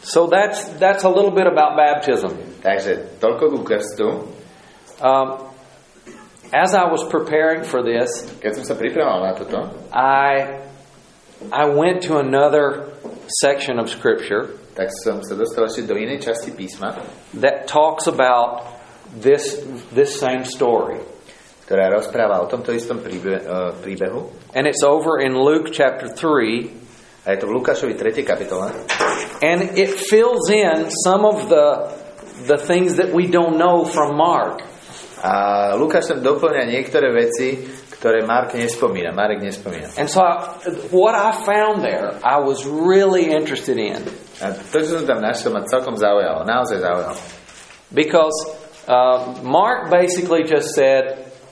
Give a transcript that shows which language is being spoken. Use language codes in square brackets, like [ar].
[en] So that's a little bit about baptism. [sk] Takže toľko ku krstu. [en] As I was preparing for this, [sk] keď som sa pripravoval na toto, [en] I went to another section of scripture, [sk] tak som sa dostal ešte do inej časti písma, [en] that talks about this same story, [sk] ktorá rozpráva o tomto istom príbehu. [en] And it's over in Luke chapter 3. [sk] A je to v Lukášovi 3. kapitole. [en] And it fills in some of the things that we don't know from Mark. [sk] A Lukáš tam doplňa niektoré veci, ktoré Marek nespomína. [en] And so what I found there, I was really interested in. [sk] A to, čo som tam našiel, ma celkom zaujalo, naozaj zaujalo. [en] Because Mark basically just said